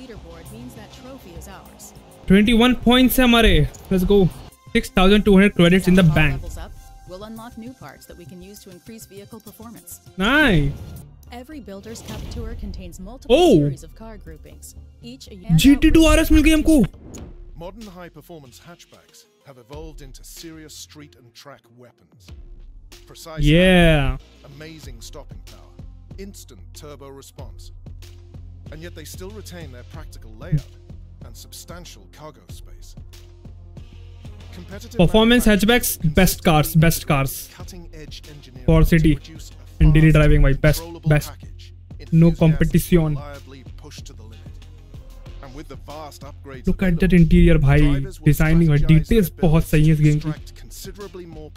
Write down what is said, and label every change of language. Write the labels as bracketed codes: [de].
[hi] points है हमारे। [en] Let's go, 6200 credits in the bank. We'll unlock new parts that we can use to increase vehicle performance. Nice. Every builder's cup tour contains multiple series of car groupings. Each GT2 RS [hi] mil gaya humko. [en] Modern high performance hatchbacks have evolved into serious street and track weapons. Precise. Yeah. Amazing stopping power. Instant turbo response. And yet they still retain their practical layout and substantial cargo space. Performance hatchbacks best cars for city and daily driving भाई, best, no competition. Look at that interior [hi] भाई, designing और details बहुत सही है इस game की।